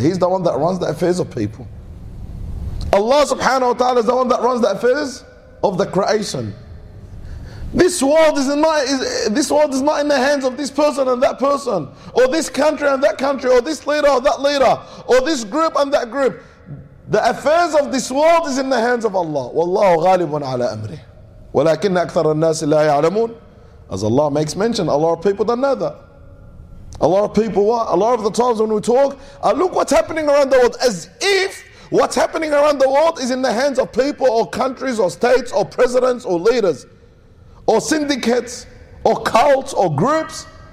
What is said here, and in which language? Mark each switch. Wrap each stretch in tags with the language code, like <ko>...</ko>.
<en>He's the one that runs the affairs of people. Allah subhanahu wa ta'ala is the one that runs the affairs of the creation. This world is not in the hands of this person and that person, or this country and that country, or this leader or that leader, or this group and that group. The affairs of this world is in the hands of Allah.</en> <ar>Wallahu ghalibun ala amri. ولكن أكثر الناس لا يعلمون.</ar> <en>As Allah makes mention, a lot of people don't know that. A lot of people, what? A lot of the times when we talk, look what's happening around the world, as if what's happening around the world is in the hands of people or countries or states or presidents or leaders or syndicates or cults or groups.</en>